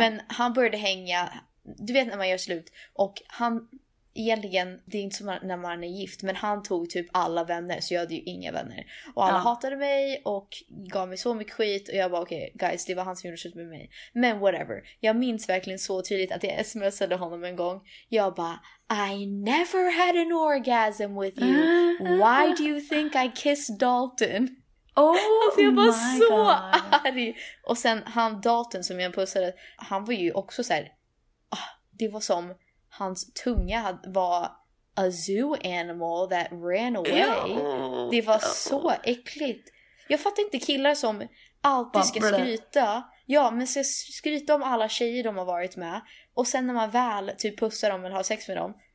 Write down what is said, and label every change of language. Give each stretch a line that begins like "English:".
Swedish: Men han började hänga, du vet när man gör slut, och han... Egentligen, det är inte som när man är gift, men han tog typ alla vänner, så jag hade ju inga vänner. Och alla hatade mig och gav mig så mycket skit. Och jag bara, okej, guys, det var han som gjorde slut med mig. Men whatever. Jag minns verkligen så tydligt att jag smsade honom en gång. Jag bara,
English: I never had an orgasm with you. Why do you think I kissed Dalton?
Swedish: Alltså jag var så arg. Och sen han, Dalton, som jag pussade, han var ju också så här, det var som... Hans tunga var
English: a zoo animal that ran away.
Swedish: Det var så äckligt. Jag fattar inte killar som alltid ska skryta. Ja, men ska skryta om alla tjejer de har varit med. Och sen när man väl typ pussar dem eller har sex med dem.